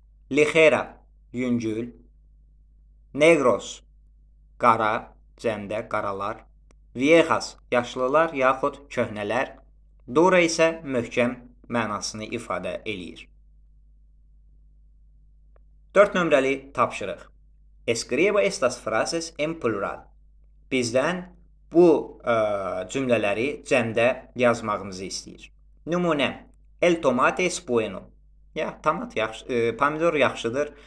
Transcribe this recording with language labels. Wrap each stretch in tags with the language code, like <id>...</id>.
<az>Ligera, yüngül. Negros, qara, cəmdə, qaralar. Viejas, yaşlılar yaxud köhnələr. Dura isə möhkəm mənasını ifadə eləyir. 4 nömrəli tapşırıq.</az> <es>Escriba estas frases en plural.</es> <az>Bizdən bu cümlələri cəmdə yazmağımızı istəyir. Nümunə.</az> <es>El tomate es bueno.</es> <az>Ya, tomat yaxşı, pomidor yaxşıdır.</az>